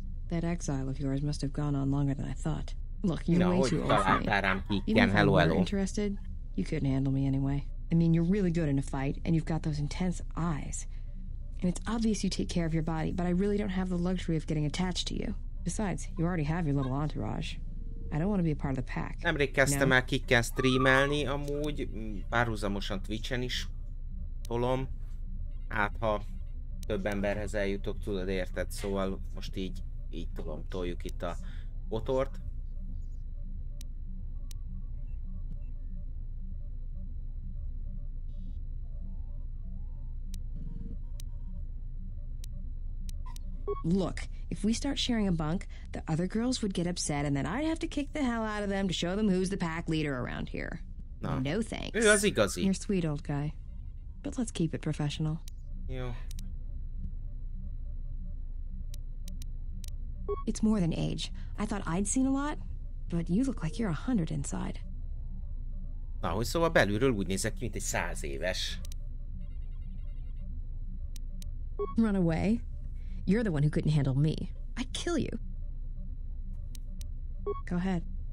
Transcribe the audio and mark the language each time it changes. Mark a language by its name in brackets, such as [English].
[English] That exile of yours must have gone on longer than I thought. Look, you're way too old for me. Even if you were interested, You couldn't handle me anyway. I mean, you're really good in a fight, and you've got those intense eyes. And it's obvious you take care of your body, but I really don't have the luxury of getting attached to you. Besides, you already have your little entourage. I don't want to be a part of the pack. [Hungarian] Nemrég kezdtem el kikkel streamelni, amúgy párhuzamosan Twitch-en is tolom. Hát, ha több emberhez eljutok, tudod, érted, szóval most így tolom, toljuk itt a botort. [English] Look, if we start sharing a bunk, the other girls would get upset and then I'd have to kick the hell out of them to show them who's the pack leader around here. Na. No thanks. [Hungarian] Ő az igazi. [English] You're sweet old guy. But let's keep it professional. [Hungarian] Jó. [English] It's more than age. I thought I'd seen a lot, but you look like you're 100 inside. [Hungarian] Na, hogy szóval belülről úgy nézek ki, mint egy 100 éves. [English] Run away. You're the one who couldn't handle me. I'd kill you. Go ahead.